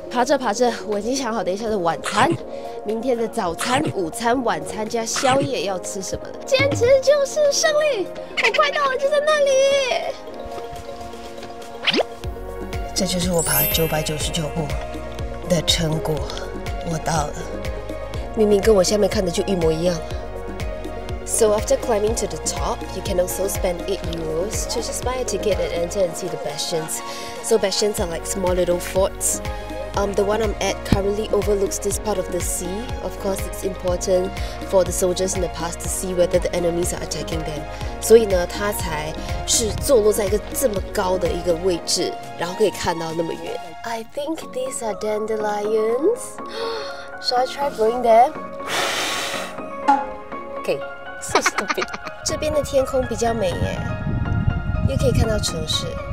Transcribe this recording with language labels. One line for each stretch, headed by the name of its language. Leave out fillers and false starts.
Chinese: 爬着爬着，我已经想好等一下的晚餐。明天的早餐、午餐、晚餐加宵夜要吃什么的？坚持就是胜利！我快到了，就在那里。这就是我爬999步的成果，我到了。明明跟我下面看的就一模一样。
English: So after climbing to the top, you can also spend €8 to just buy a ticket and enter and see the bastions. So bastions are like small little forts. The one I'm at currently overlooks this part of the sea. Of course, it's important for the soldiers in the past to see whether the enemies are attacking them.
Chinese: 所以呢，它才是坐落在一个这么高的一个位置，然后可以看到那么远。
English: I think these are dandelions. Shall I try blowing them? Okay, so stupid.
Chinese: 这边的天空比较美耶，又可以看到城市。